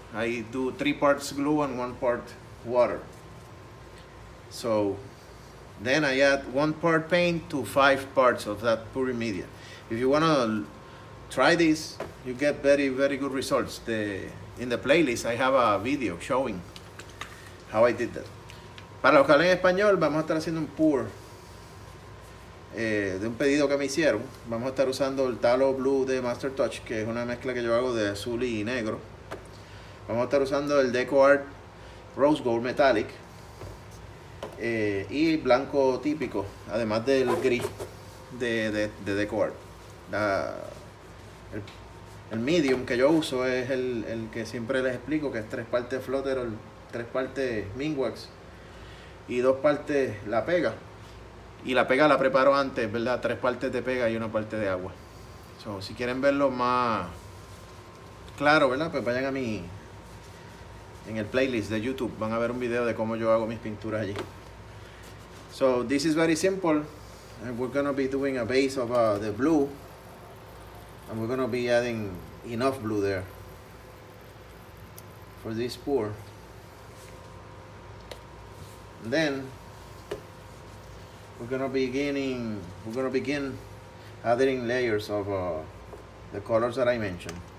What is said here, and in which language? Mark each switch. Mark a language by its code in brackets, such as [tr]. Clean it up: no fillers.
[en] I do three parts glue and one part water. So then I add one part paint to five parts of that pouring media. If you wanna try this, you get very, very good results. In the playlist, I have a video showing how I did that. [es] Para los que hablan español, vamos a estar haciendo un pour de un pedido que me hicieron. Vamos a estar usando el tallow blue de Master Touch, que es una mezcla que yo hago de azul y negro. Vamos a estar usando el Deco Art Rose Gold Metallic y blanco típico, además del gris de Deco Art. El medium que yo uso es el que siempre les explico, que es tres partes Flotterol, tres partes Ming Wax y dos partes la pega. Y la pega la preparo antes, ¿verdad? Tres partes de pega y una parte de agua. So, si quieren verlo más claro, ¿verdad? Pues vayan a mi, en el playlist de YouTube, van a ver un video de cómo yo hago mis pinturas allí. [en] So, this is very simple. And we're gonna be doing a base of the blue. And we're gonna be adding enough blue there for this pour. And then we're gonna begin adding layers of the colors that I mentioned.